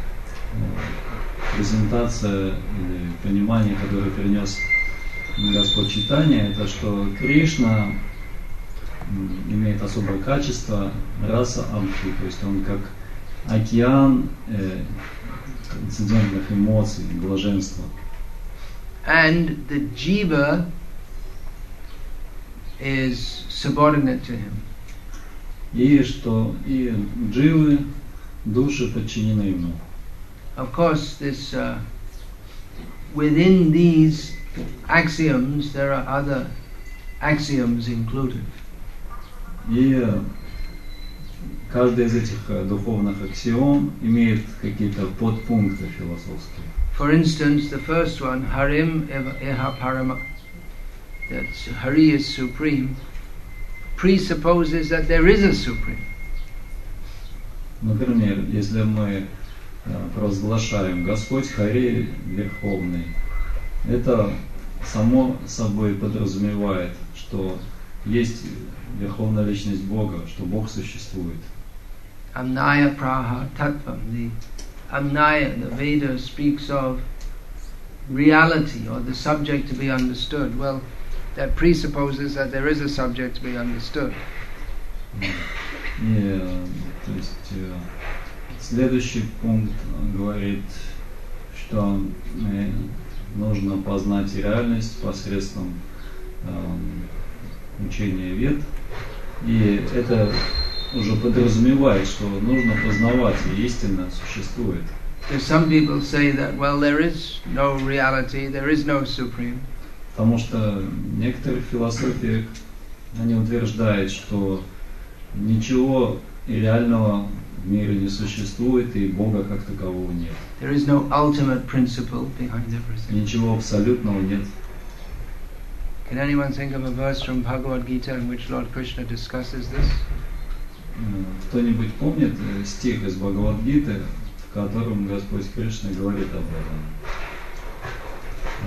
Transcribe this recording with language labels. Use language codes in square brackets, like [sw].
[ru] Особая презентация или понимание, которое принес Господь Чайтанья, это что Кришна имеет особое качество раса амхи, то есть он как океан трансцендентных эмоций, блаженства. [en] And the jiva is subordinate to him. [ru] И что и дживы, души подчинены ему. [en] Of course, this within these axioms there are other axioms included. [ru] И каждый из этих духовных аксиом имеет какие-то подпункты философские. [en] For instance, the first one, [sa] Harim Eha Parama, [en] that Hari is supreme, presupposes that there is a supreme. [ru] Например, если мы провозглашаем Господь Хари Верховный, это само собой подразумевает, что есть Верховная Личность Бога, что Бог существует. [sa] Amnaya Praha Tattvam, [en] the Amnaya, the Veda speaks of reality or the subject to be understood. Well, that presupposes that there is a subject to be understood. [ru] То есть следующий пункт говорит, что нужно познать реальность посредством учения вед. И это уже подразумевает, что нужно познавать, и истина существует. [en] So some people say that, well, there is no reality, there is no supreme. [ru] Потому что некоторые философии, они утверждают, что ничего реального в мире не существует, и Бога как такового нет. [en] There is no ultimate principle behind everything. [ru] Ничего абсолютного нет. [en] Can anyone think of a verse from Bhagavad Gita in which Lord Krishna discusses this? [ru] Кто-нибудь помнит стих из Бхагавад-гиты, в котором Господь Кришна говорит об этом?